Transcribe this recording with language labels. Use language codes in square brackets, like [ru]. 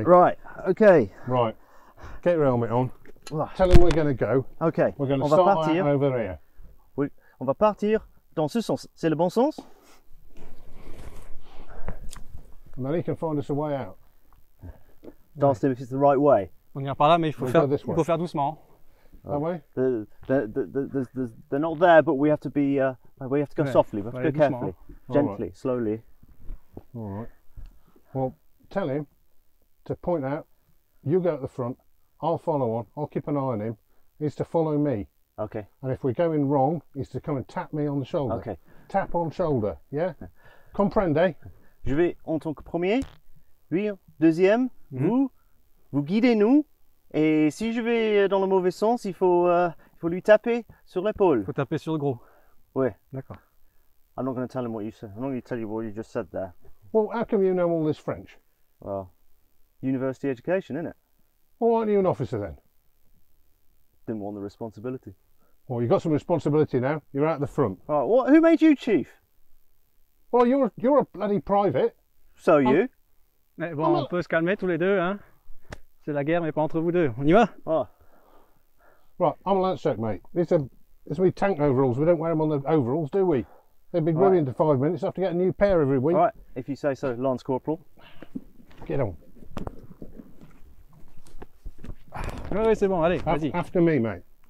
[en] Right, okay. Right. Get your helmet on. Tell him we're going to go. Okay. We're going to start [fr] partir. [en] Out over here. [fr] Oui. On va partir dans ce sens. C'est le bon sens? [en] And then he can find us a way out. Don't step if it's the right way. [fr] On n'ira pas là, mais il faut faire doucement. [en] That way? They're not there, but we have to be... we have to go softly, we have to go carefully, gently, right. Slowly. All right. Well, tell him to point out, you go at the front, I'll follow on, I'll keep an eye on him, he's to follow me. Okay. And if we're going wrong, he's to come and tap me on the shoulder. Okay. Tap on shoulder, yeah? Comprende? [fr] Je vais en tant que premier, lui deuxième, vous guidez nous, et si je vais dans le mauvais sens, il faut lui taper sur l'épaule. Faut taper sur le gros. Ouais. D'accord. [en] I'm not going to tell him what you said. I'm not going to tell you what you just said there. Well, how come you know all this French? Well, university education, innit? Well, why aren't you an officer then? Didn't want the responsibility. Well, you've got some responsibility now. You're out the front. Oh, what? Who made you chief? Well, you're a bloody private. So are you? [fr] Mais bon, on peut se calmer tous les deux, hein? C'est la guerre, mais pas entre vous deux. On y va? Oh. [en] Right, I'm a Lancet, mate. It's me tank overalls. We don't wear them on the overalls, do we? They'd be brilliant right. In 5 minutes. I have to get a new pair every week. Right, if you say so, Lance Corporal. Get on. [fr] Oui, c'est bon, allez, vas-y. [en] After me, mate.